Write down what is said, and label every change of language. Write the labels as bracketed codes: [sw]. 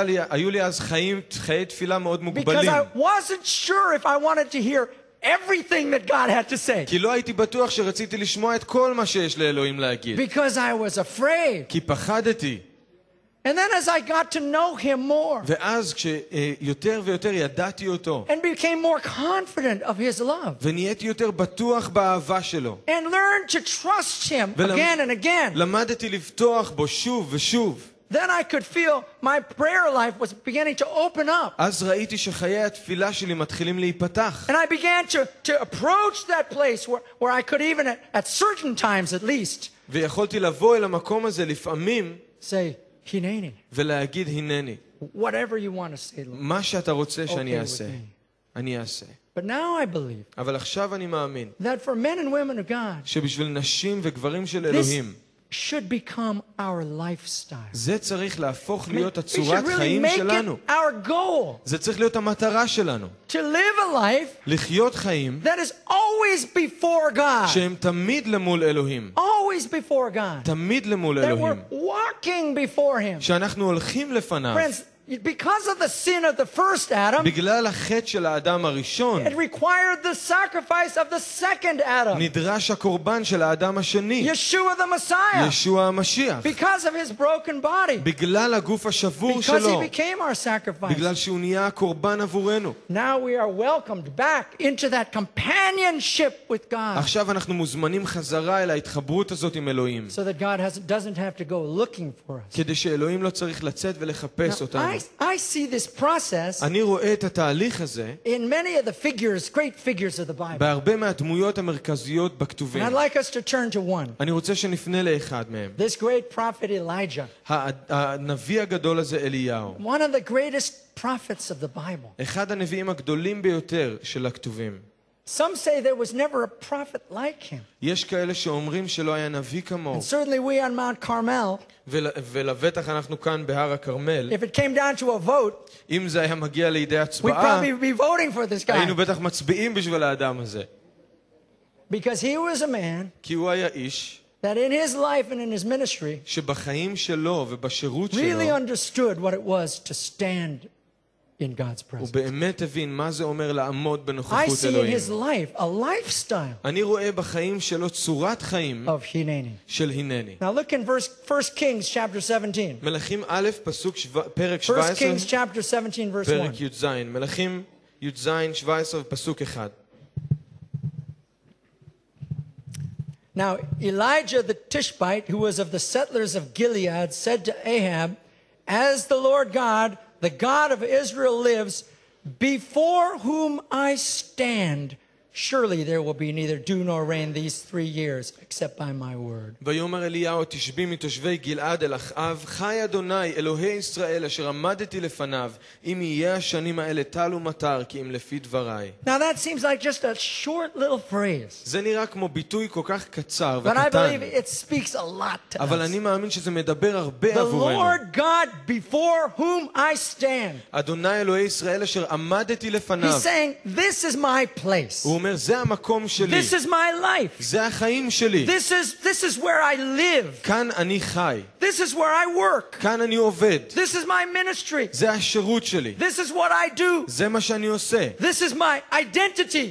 [he] היו לי אז חיי תפילה מאוד מוגבלים. [en] Because I wasn't sure if I wanted to hear everything that God had to say. [he] כי לא הייתי בטוח שרציתי לשמוע את כל מה שיש לאלוהים להגיד. [en] Because I was afraid. [he] כי פחדתי. [en] And then as I got to know him more. [he] ואז כשיותר ויותר ידעתי אותו. [en] And became more confident of his love. [he] ונהייתי יותר בטוח באהבה שלו. [en] And learned to trust him again and again. [he] למדתי לבטוח בו שוב ושוב. [en] Then I could feel my prayer life was beginning to open up. [he] אז ראיתי שחיי התפילה שלי מתחילים להיפתח. [en] And I began to approach that place where I could even at certain times at least. [he] ויכולתי לבוא אל המקום הזה לפעמים. [en] Say hineni. [he] ולהגיד הינני. [en] Whatever you want to say. [he] מה שאתה רוצה שאני אעשה. אני אעשה. [en] But now I believe. [he] אבל עכשיו אני מאמין. [en] That for men and women of God. [he] שבשביל נשים וגברים של אלוהים. [en] This should become our lifestyle. [he] זה צריך להפוך להיות הצורת חיים שלנו. [en] Make it our goal. [he] זה צריך להיות המטרה שלנו. [en] To live a life. [he] לחיות חיים. [en] That is always before God. [he] שהם תמיד למול אלוהים. [en] Always before God. [he] תמיד למול אלוהים. [en] That we're walking before him. [he] שאנחנו הולכים לפניו. [en] Friends, because of the sin of the first Adam. [he] בגלל החטא של האדם הראשון. [en] It required the sacrifice of the second Adam. [he] נדרש הקורבן של האדם השני. [en] Yeshua the Messiah. [he] ישוע המשיח. [en] Because of his broken body. [he] בגלל הגוף השבור [en] because [he] שלו. [en] Because he became our sacrifice. [he] בגלל שהוא נהיה הקורבן עבורנו. [en] Now we are welcomed back into that companionship with God. [he] עכשיו אנחנו מוזמנים חזרה אל ההתחברות הזאת עם אלוהים. [en] So that God doesn't have to go looking for us. [he] כדי שאלוהים לא צריך לצאת ולחפש אותנו. [en] I see this process. [he] אני רואה את התהליך הזה. [en] In many of the figures, great figures of the Bible. [he] בהרבה מהדמויות המרכזיות בכתובים. [en] I'd like us to turn to one. [he] אני רוצה שנפנה לאחד מהם. [en] This great prophet Elijah. [he] הנביא הגדול הזה אליהו. [en] One of the greatest prophets of the Bible. [he] אחד הנביאים הגדולים ביותר של הכתובים. [en] Some say there was never a prophet like him. [he] יש כאלה שאומרים שלא היה נביא כמוהו. [en] Certainly we on Mount Carmel. [he] ולבטח אנחנו כאן בהר הכרמל. [en] If it came down to a vote. [he] אם זה היה מגיע לידי הצבעה. [en] We'd probably be voting for this guy. [he] היינו בטח מצביעים בשביל האדם הזה. [en] Because he was a man. [he] כי הוא היה איש. [en] That in his life and in his ministry. [he] שבחיים שלו ובשירות שלו. [en] Really understood what it was to stand in God's presence. [he] הוא באמת הבין מה זה אומר לעמוד בנוכחות אלוהים. [en] I see in his life a lifestyle. [he] אני רואה בחיים שלו צורת חיים [en] of Hineni. [he] של הינני. [en] Now look in verse 1 Kings chapter 17. [he] מלכים א' פסוק פרק [en] 17. 1 Kings chapter 17 verse 1. [he] פרק י"ז. מלכים י"ז 17 פסוק 1. [en] Now Elijah the Tishbite, who was of the settlers of Gilead, said to Ahab, "As the Lord God, the God of Israel, lives, before whom I stand, surely there will be neither dew nor rain these 3 years, except by my word." [he] ויאמר אליהו תשבי מתושבי גלעד אל אחאב, חי אדוני אלוהי ישראל אשר עמדתי לפניו, אם יהיה השנים האלה טל ומטר, כי אם לפי דבריי. [en] Now that seems like just a short little phrase. [he] זה נראה כמו ביטוי כל כך קצר וקטן. [en] But I believe it speaks a lot to us. [he] אבל אני מאמין שזה מדבר הרבה עבורנו. [en] The Lord God before whom I stand. [he] אדוני אלוהי ישראל אשר עמדתי לפניו. [en] He's saying, "This is my place." [he] הוא אומר, זה המקום שלי. [en] This is my life. [he] זה החיים שלי. [en] This is where I live. [he] כאן אני חי. [en] This is where I work. [he] כאן אני עובד. [en] This is my ministry. [he] זה השירות שלי. [en] This is what I do. [he] זה מה שאני עושה. [en] This is my identity.